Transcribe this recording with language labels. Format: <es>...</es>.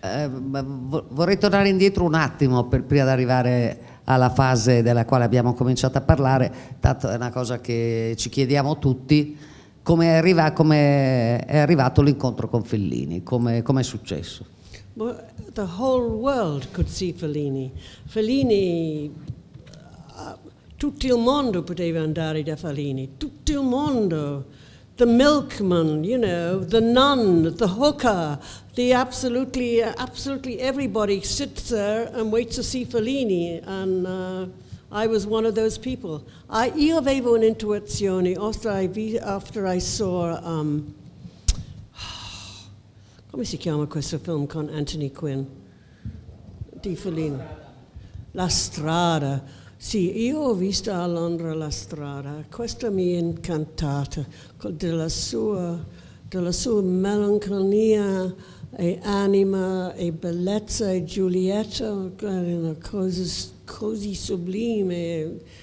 <it>Vorrei tornare indietro un attimo per prima di arrivare alla fase della quale abbiamo cominciato a parlare, tanto è una cosa che ci chiediamo tutti, come è arrivato l'incontro con Fellini, come è successo?</it> <en>Well, the whole world could see Fellini.</en> <it>Fellini, tutto il mondo poteva andare da Fellini, tutto il mondo.</it> <en>The milkman, you know, the nun, the hooker, the absolutely everybody sits there and waits to see Fellini, and I was one of those people.</en> <it>Io avevo un'intuizione</it> <en>after I saw,</en> <it>come si chiama questo film con Anthony Quinn, di Fellini? La Strada. Sì, io ho visto a Londra La Strada, questo mi è incantato, della sua melanconia e anima e bellezza e Giulietta, una cosa così sublime.</it>